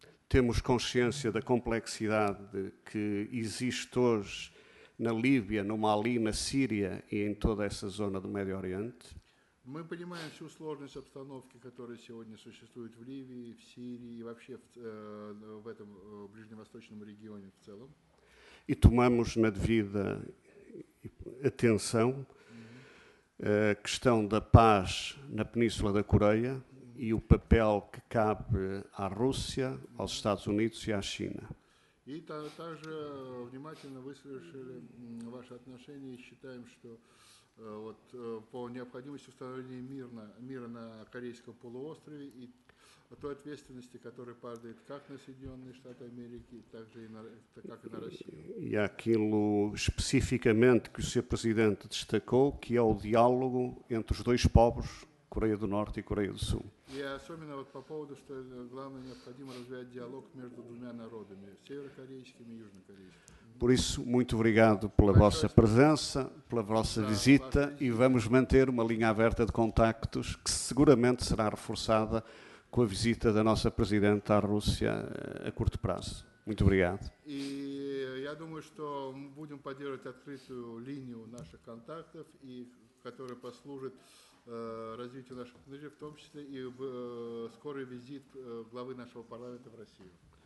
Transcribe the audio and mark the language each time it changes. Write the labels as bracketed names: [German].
[Portuguese] Temos consciência da complexidade que existe hoje na Líbia, no Mali, na Síria e em toda essa zona do Médio Oriente. [Russian] Мы понимаем всю сложность обстановки, которая сегодня существует в Ливии, в Сирии и вообще в этом ближневосточном регионе в целом. [Portuguese] И tomamos na devida atenção a questão da paz na Península da Coreia e o papel que cabe à Rússia, aos Estados Unidos e à China. [Russian] И также внимательно выслушали ваши отношения и считаем, что вот по необходимости установления мира на Корейском полуострове и той ответственности, которая падает как на Соединенные Штаты Америки, так же и на, как и на Россию. [Portuguese] И aquilo especificamente que o seu presidente destacou, que é o diálogo entre os dois povos, Coreia do Norte e Coreia do Sul. [Russian] И особенно вот по поводу, что главное необходимо развивать диалог между двумя народами, северокорейскими и южнокорейскими. [Portuguese] Por isso, muito obrigado pela vossa presença, pela vossa visita e vamos manter uma linha aberta de contactos que seguramente será reforçada com a visita da nossa Presidente à Rússia a curto prazo. Muito obrigado. E eu acho que vamos manter uma linha aberta de nossos contactos e que vai servir para o desenvolvimento do nosso país, em particular, e a visita do [Russian] главы [Portuguese] nosso Parlamento à Rússia.